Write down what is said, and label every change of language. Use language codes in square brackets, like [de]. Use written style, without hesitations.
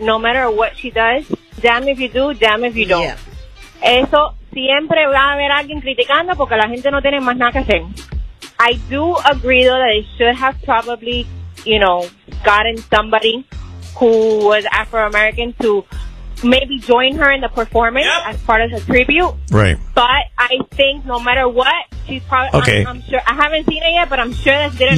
[en] No matter what she does, damn if you do, damn if you don't. Yeah. [es] Eso siempre va a haber alguien criticando porque la gente no tiene más nada que hacer. [en] I do agree, though, that they should have probably, you know, gotten somebody who was Afro-American to maybe join her in the performance yep. as part of the tribute. Right. But I think no matter what, she's probably, okay. I'm sure, I haven't seen it yet, but I'm sure that's good.